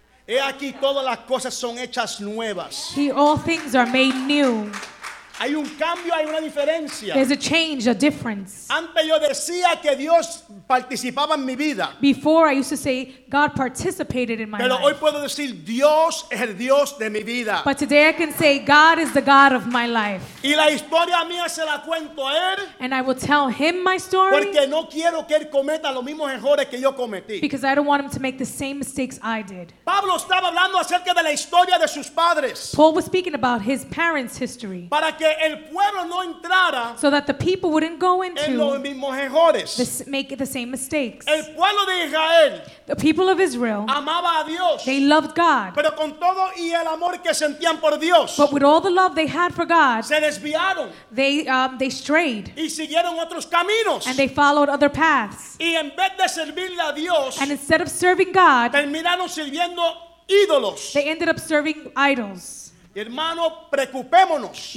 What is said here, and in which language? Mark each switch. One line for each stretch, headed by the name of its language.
Spanish: He aquí todas las cosas son hechas nuevas.
English: See, all things are made new.
Spanish: Hay un cambio, hay una diferencia.
English: There's a change, a difference.
Spanish: Antes yo decía que Dios participaba en mi vida.
English: Before I used to say God participated in my life.
Spanish: Pero hoy puedo decir Dios es el Dios de mi vida.
English: But today I can say God is the God of my life.
Spanish: Y la historia mía se la cuento a él.
English: And I will tell him my story.
Spanish: Porque no quiero que él cometa los mismos errores que yo cometí.
English: Because I don't want him to make the same mistakes I did.
Spanish: Pablo estaba hablando acerca de la historia de sus padres.
English: Paul was speaking about his parents' history.
Spanish: Para que el pueblo no entrara.
English: So that the people wouldn't go into
Spanish: en los mismos errores.
English: Make the same mistakes.
Spanish: El pueblo de Israel.
English: The people of Israel.
Spanish: Amaba a Dios.
English: They loved God.
Spanish: Pero con todo y el amor que sentían por Dios.
English: But with all the love they had for God.
Spanish: Se desviaron.
English: They strayed.
Spanish: Y siguieron otros caminos.
English: And they followed other paths.
Spanish: Y en vez de servirle a Dios.
English: And instead of serving God.
Spanish: Terminaron sirviendo ídolos.
English: They ended up serving idols.
Spanish: Hermano, preocupémonos.